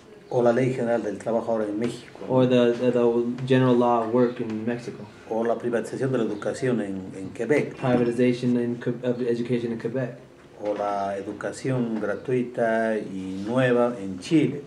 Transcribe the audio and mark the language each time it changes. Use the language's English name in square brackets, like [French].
[Spanish] O la ley general del trabajador en México. [English] Or the general law of work in Mexico. [Spanish] O la privatización de la educación en Quebec. [English] Privatization of education in Quebec. [Spanish] O la educación gratuita y nueva en Chile.